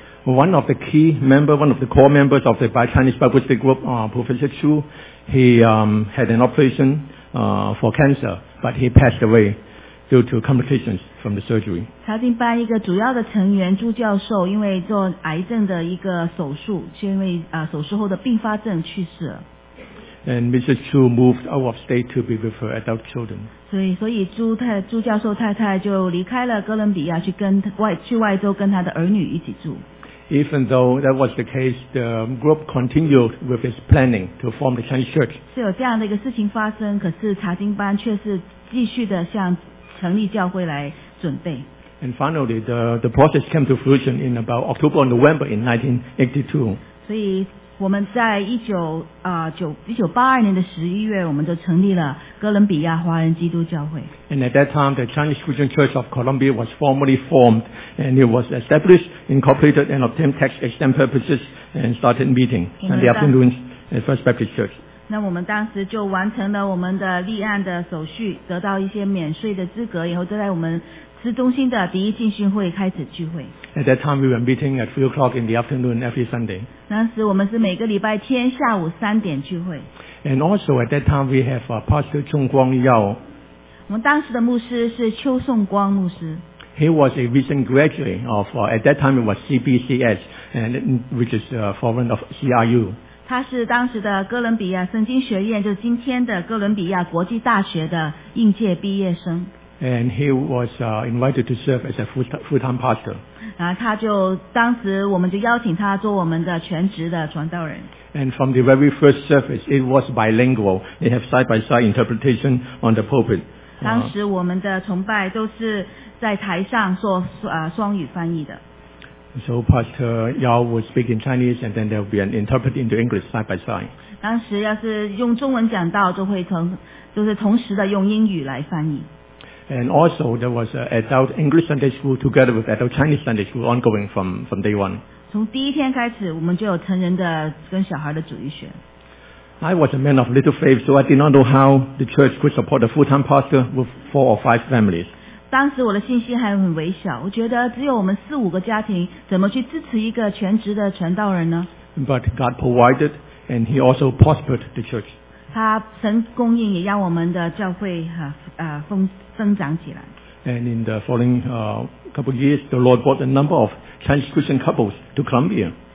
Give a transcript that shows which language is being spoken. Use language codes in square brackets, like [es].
[en] ，one of the key member, one of the core members of the Chinese Bible Study Group, Professor Chu, he had an operation for cancer, but he passed away due to complications from the surgery. [zh] 查经班一个主要的成员朱教授因为做癌症的一个手术，就因为手术后的并发症去世了。 [en] And Mrs. Chu moved out of state to be with her adult children. [zh] 所以朱太朱教授太太就离开了哥伦比亚，去跟外去外州跟她的儿女一起住。 [en] Even though that was the case, the group continued with its planning to form the Chinese church. [zh] 是有这样的一个事情发生，可是查经班却是继续的向成立教会来准备。 [en] And finally, the process came to fruition in about October or November in 1982. [zh] 所以我们在1982年的11月，我们就成立了哥伦比亚华人基督教会。 [en] And at that time, the Chinese Christian Church of Colombia was formally formed, and it was established, incorporated, and obtained tax exempt purposes, and started meeting on the afternoons at First Baptist Church. [zh] 那我们当时就完成了我们的立案的手续，得到一些免税的资格，以后就在我们市中心的第一浸信会开始聚会。 [en] At that time, we were meeting at 3 o'clock in the afternoon every Sunday. [zh] 当时我们是每个礼拜天下午3点聚会。 [en] And also at that time, we have Pastor Chung Guang Yao. [zh] 我们当时的牧师是邱颂光牧师。 [en] He was a recent graduate of at that time it was CBCS, and which is a foreign of CRU. [zh] 他是当时的哥伦比亚圣经学院，就是今天的哥伦比亚国际大学的应届毕业生。 [en] And he was invited to serve as a full-time pastor. [zh] 然后他就当时我们就邀请他做我们的全职的传道人。 [en] And from the very first service, it was bilingual. They have side-by-side interpretation on the pulpit. [zh] 当时我们的崇拜都是在台上做双语翻译的。 [en] So Pastor Yao would speak in Chinese, and then there would be an interpreter into English side by side. [zh] 当时要是用中文讲道，就会同时的用英语来翻译。 [en] And also there was an adult English Sunday school together with adult Chinese Sunday school ongoing from day one. [zh] 从第一天开始我们就有成人的跟小孩的主日学。 [en] I was a man of little faith, so I did not know how the church could support a full-time pastor with 4 or 5 families. [zh] 当时我的信心还很微小，我觉得只有我们4、5个家庭怎么去支持一个全职的传道人呢？ [en] But God provided and he also prospered the church. [zh] 他神供应也让我们的教会增长起来。 [en] And in the following couple of years, the Lord brought a number of Chinese Christian couples to Columbia.